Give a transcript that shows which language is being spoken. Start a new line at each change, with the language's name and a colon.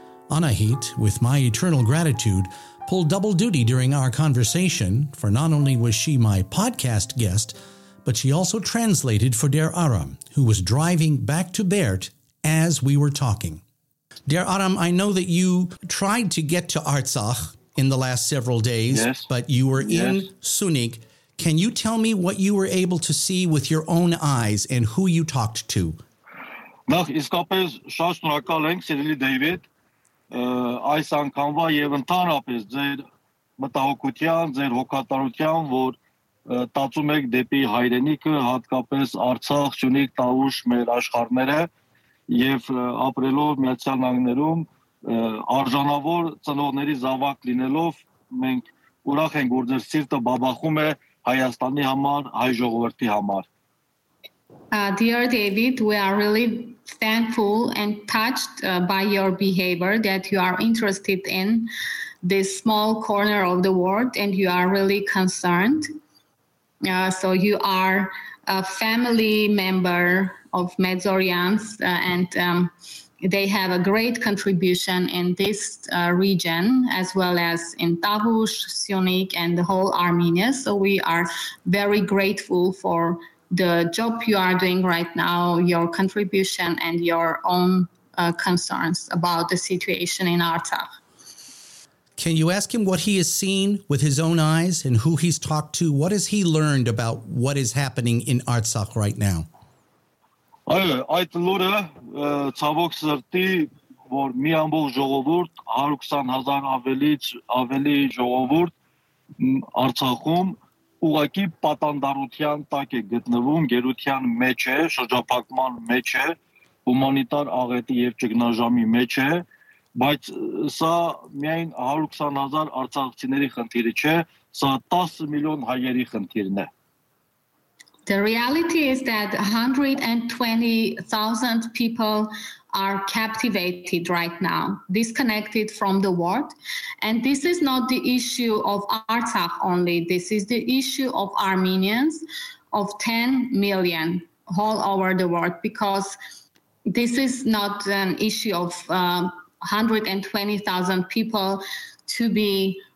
English: Anahit, with my eternal gratitude, pulled double duty during our conversation, for not only was she my podcast guest, but she also translated for Der Aram, who was driving back to Bert as we were talking. Der Aram, I know that you tried to get to Artsakh in the last several days, yes. But you were in Sunig. Can you tell me what you were able to see with your own eyes and who you talked to?
Armenian: Նախ իսկապես շատ շնորհակալ եմ, սիրելի Դեյվիդ, այս անգամվա եւ ընդհանրապես ձեր մտահոգության, ձեր հոգատարության, որ տածում եք դեպի հայրենիքը, հատկապես Արցախ, Սյունիք, Տավուշ, մեր աշխարհները եւ ապրելով Միացյալ Նահանգներում արժանավոր ծնողների զավակ լինելով մենք ուրախ ենք, որ ձեր սիրտը բաբախում է Հայաստանի համար, հայ ժողովրդի համար.
English: Dear David, we are really thankful and touched by your behavior that you are interested in this small corner of the world and you are really concerned. So you are a family member of Medzorians and they have a great contribution in this region, as well as in Tavush, Sunig, and the whole Armenia. So we are very grateful for the job you are doing right now, your contribution, and your own concerns about the situation in Artsakh. Can you ask him what he has seen with his own eyes and who he's talked to? What has he learned about what is happening in Artsakh right now?
Armenian: Այո, այդ լուրը ցավոք սրտի, որ մի ամբողջ ժողովուրդ, 120,000 ավելի ժողովուրդ Արցախում ուղղակի պատանդարության տակ է գտնվում, գերության մեջ է, շրջափակման մեջ է, հումանիտար աղետի եւ ճգնաժամի մեջ է, բայց սա միայն 120,000 արցախցիների խնդիրը չէ, սա 10 միլիոն հայերի խնդիրն է.
English: The reality is that 120,000 people are captivated right now, disconnected from the world. And this is not the issue of Artsakh only. This is the issue of Armenians, of 10 million all over the world, because this is not an issue of 120,000 people to be